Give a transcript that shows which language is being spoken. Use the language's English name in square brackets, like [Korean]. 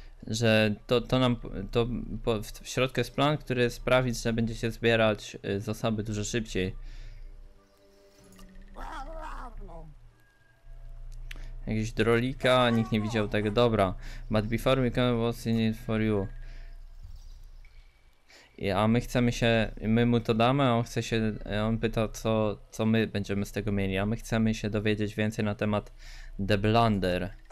[Polish] że to nam to w środku jest plan, który sprawi, że będzie się zbierać zasoby dużo szybciej. Jakiś drolika, nikt nie widział tego. Dobra. [English] But before we can, what's in it for you? [Polish] A my chcemy się, my mu to damy, a on chce się, on pyta, co my będziemy z tego mieli. A my chcemy się dowiedzieć więcej na temat The Blunder.